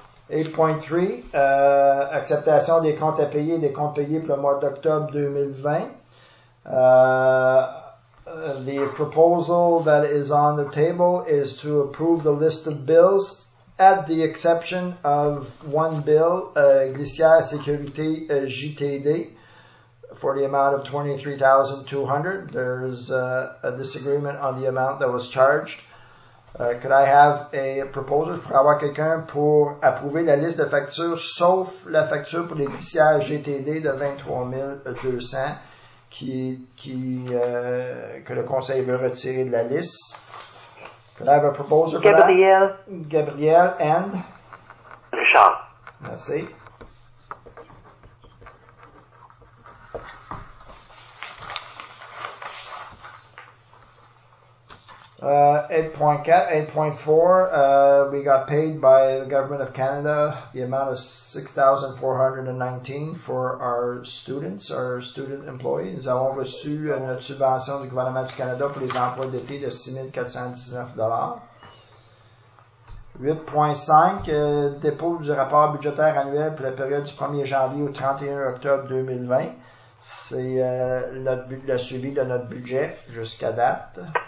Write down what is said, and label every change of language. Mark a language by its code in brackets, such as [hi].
[fr] 8.3, acceptation des comptes à payer et des comptes payés pour le mois d'octobre 2020. [en] The proposal that is on the table is to approve the list of bills at the exception of one bill, Glissière Sécurité JTD, for the amount of $23,200. There is a disagreement on the amount that was charged. Could I have a proposal [fr] pour avoir quelqu'un pour approuver la liste de factures sauf la facture pour les glissières GTD de 23 200 que le conseil veut retirer de la liste? [en] Could I have a proposal for [fr] Gabriel. [en] That? Gabriel and? Richard. [fr] Merci. [en] Eight point four. We got paid by the government of Canada the amount of $6,419 for our students, our student employees. [fr] Nous avons reçu une subvention du gouvernement du Canada pour les emplois d'été de $6,419. 8.5, dépôt du rapport budgétaire annuel pour la période du 1er janvier au 31 octobre 2020. C'est le suivi de notre budget jusqu'à date.